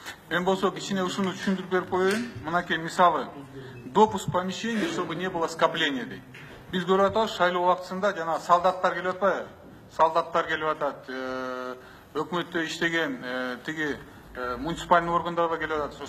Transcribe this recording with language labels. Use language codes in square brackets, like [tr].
[ky] Эмбосок, ичине ушуну түшүндүрүп берип коеюн. Мынакей мисалы. [ru] Допуск помещений, чтобы не было скопления [ky] дейт. Биз көрүп атабыз, шайлоо убактысында жана солдаттар келип атпайбы? Солдаттар келип атат. Өкмөттө иштеген тиги муниципалдын органдарга келип атат.